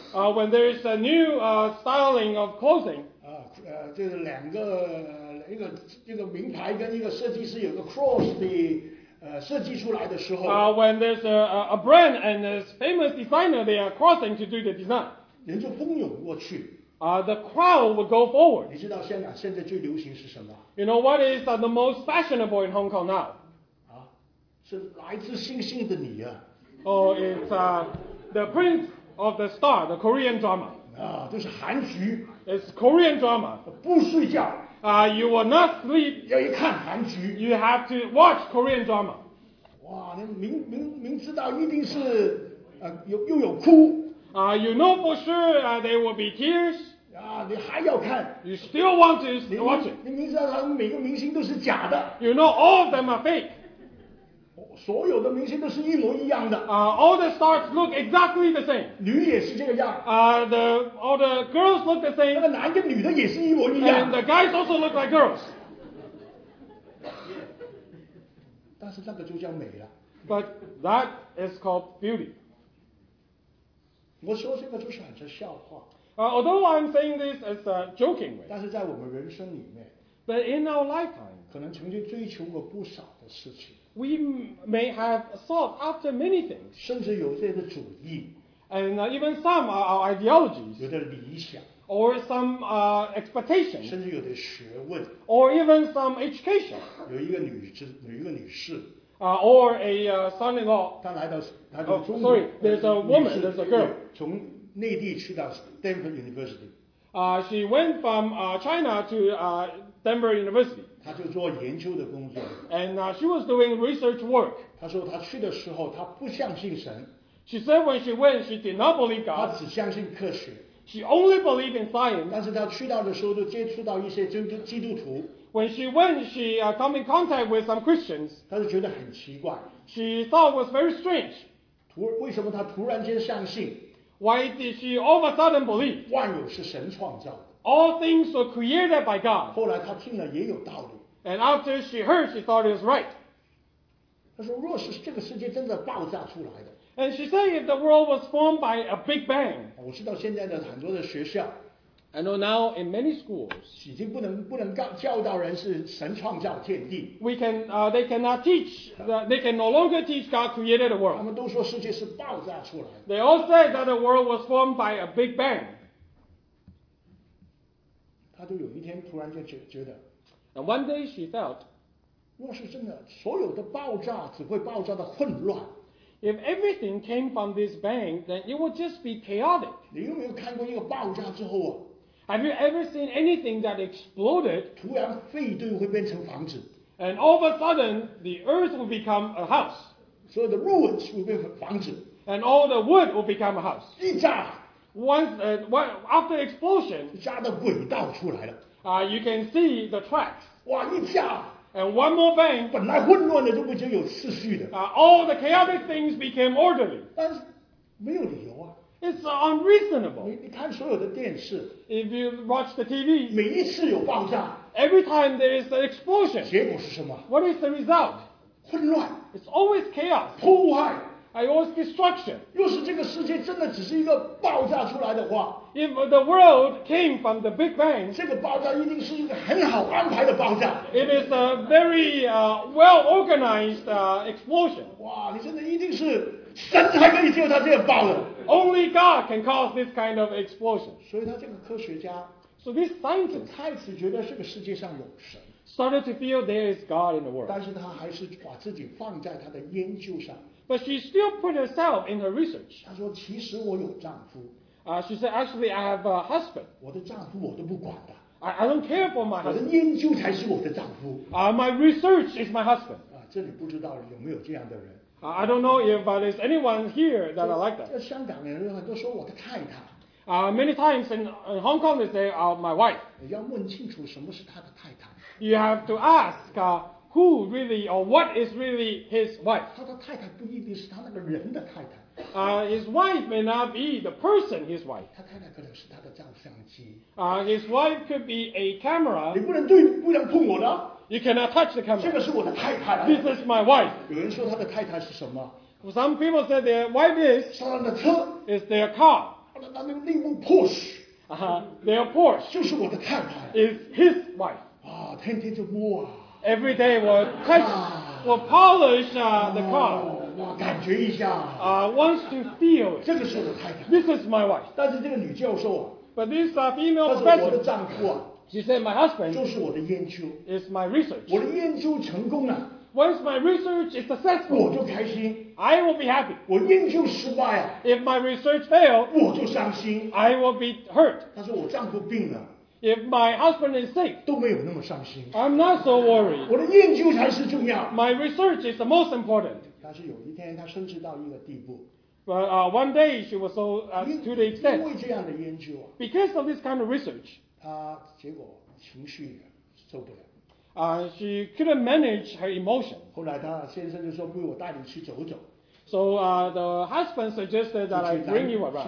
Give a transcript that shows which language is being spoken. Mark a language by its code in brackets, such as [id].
[en] When there is a new styling of clothing. [zh] 就是两个一个名牌跟一个设计师有个 cross 的设计出来的时候。 [en] When there's a brand and a famous designer, they are crossing to do the design. [zh] 人就蜂拥过去。 [en] The crowd will go forward. [zh] 你知道香港现在最流行是什么？ [en] You know what is the most fashionable in Hong Kong now? [zh] 是来自星星的你啊。 [en] Oh, it's the Prince of the Star, the Korean drama. [zh] 就是韩剧。 [en] It's Korean drama. [zh] 不睡觉。 [en] You will not sleep. [zh] 要一看韩剧。 [en] You have to watch Korean drama. [zh] 哇，你明知道一定是又有哭。 [en] You know for sure there will be tears. [zh] 你还要看。 [en] You still want to watch it. [zh] 你明知道他们每个明星都是假的。 [en] You know all of them are fake. [zh] 所有的明星都是一模一样的。 [en] All the stars look exactly the same. [zh] 女也是这个样。 [en] All the girls look the same. [zh] 那个男跟女的也是一模一样。 [en] And the guys also look like girls. [zh] 但是那个就叫美了。 [en] But that is called beauty. [zh] 我说这个就是很笑话。 [en] Although I'm saying this as a joking way. [zh] 但是在我们人生里面。 [en] But in our lifetime. [zh] 可能曾经追求过不少的事情。 [en] We may have sought after many things. [zh] 甚至有些的主义。 [en] And even some are our ideologies. [zh] 有的理想。 [en] Or some expectations. [zh] 甚至有的学问。 [en] Or even some education. [zh] 有一个女士。 [en] Or a son-in-law. [zh] 她来到中 [en] 国。Sorry, there's a woman, there's a girl. [zh] 从内地去到 Stanford University. [en] She went from China to Denver University. [zh] 他就做研究的工作。 [en] And she was doing research work. [zh] 他说他去的时候他不相信神。 [en] She said when she went, she did not believe God. [zh] 他只相信科学。 [en] She only believed in science. [zh] 但是他去到的时候就接触到一些基督徒。 [en] When she went, she come in contact with some Christians. [zh] 他就觉得很奇怪。 [en] She thought it was very strange. [zh] 为什么他突然间相信？ [en] Why did she all of a sudden believe? [zh] 万有是神创造的。 [en] All things were created by God. [zh] 后来他听了也有道理。 [en] And after she heard, she thought it was right. [zh] 他说若是这个世界真的爆炸出来的。 [en] And she said if the world was formed by a big bang. [zh] 我知道现在的很多的学校。 [en] I know now in many schools. [zh] 已经不能教导人是神创造天地。 [en] They cannot teach, they can no longer teach God created the world. [zh] 他们都说世界是爆炸出来的。 [en] They all said that the world was formed by a big bang. [zh] 他就有一天突然就觉得 [en] And one day she felt [zh] 若是真的所有的爆炸只会爆炸的混乱 [en] If everything came from this bang then it would just be chaotic [zh] 你有没有看过一个爆炸之后啊 [en] Have you ever seen anything that exploded [zh] 突然废墟会变成房子 [en] And all of a sudden the earth will become a house [zh] 所有的 ruins 会变成房子 [en] And all the wood will become a house [zh] 一炸 [en] Once, after explosion, [zh] 家的轨道出来了。 [en] You can see the tracks. [zh] 哇，一下。 [en] And one more bang. [zh] 本来混乱的都不就有秩序的。 [en] All the chaotic things became orderly. [zh] 但是没有理由啊。 [en] It's unreasonable. [zh] 你看所有的电视。 [en] If you watch the TV. [zh] 每一次有爆炸。 [en] Every time there is an explosion. [zh] 结果是什么 [en] ？What is the result? [zh] 混乱。 [en] It's always chaos. [zh] 破坏。 [en] It was destruction. [zh] 若是这个世界真的只是一个爆炸出来的话 [en] ，If the world came from the Big Bang， [zh] 这个爆炸一定是一个很好安排的爆炸。 [en] It is a very well organized explosion. [zh] 哇，你真的一定是神才可以救他这个爆的。 [en] Only God can cause this kind of explosion. [zh] 所以他这个科学家 [en] ，So this scientist [zh] 开始觉得这个世界上有神。 [en] Started to feel there is God in the world. [zh] 但是他还是把自己放在他的研究上。 [en] But she still put herself in her research. [zh] 她说其实我有丈夫。 [en] She said actually I have a husband. [zh] 我的丈夫我都不管的。 [en] I don't care for my husband. [zh] 我的研究才是我的丈夫。 [en] My research is my husband. [zh] 这里不知道有没有这样的人。 [en] I don't know if there's anyone here that are like that. [zh] 这香港人都说我的太太。 [en] Many times in Hong Kong they say my wife. [zh] 你要问清楚什么是他的太太。 [en] You have to ask who really or what is really his wife. [zh] 他的太太不一定是他那个人的太太。 [en] His wife may not be the person his wife. [zh] 他太太可能是他的照相机。 [en] His wife could be a camera. [zh] 你不能对，不能碰我的。 [en] You cannot touch the camera. [zh] 这个是我的太太。 [en] This is my wife. [zh] 有人说他的太太是什么？ [en] Some people say their wife is. [zh] 沙朗的车 [en] is their car. [zh] 那那那部 Porsche. [en] Their Porsche [zh] 就是我的太太 [en] is his wife. [zh] 啊，天天就摸啊。 [en] Every day [zh] 我 [en] touch, 我 polish the car. [zh] 我感觉一下。 [en] Wants to feel. [zh] 这个是我的太太。 [en] This is my wife. [zh] 但是这个女教授啊。 [en] But this female professor. [zh] 她是我的丈夫啊。 [en] She said my husband. [zh] 就是我的研究。 [en] Is my research. [zh] 我的研究成功了。 [en] Once my research is successful, [zh] 我就开心。 [en] I will be happy. [zh] 我研究失败啊。 [en] If my research fails, [zh] 我就伤心。 [en] I will be hurt. [zh] 他说我丈夫病了。 [en] If my husband is sick, [zh] 都没有那么伤心。 [en] I'm not so worried. [zh] 我的研究才是重要。 [en] My research is the most important. [zh] 但是有一天他升职到一个地步。 [en] But one day she was so to the extent. [zh] 因为这样的研究啊。 [en] Because of this kind of research, [zh] 他结果情绪受不了。 [en] She couldn't manage her emotion. [zh] 后来她先生就说不如我带你去走走。 [en] So the husband suggested that I bring you around.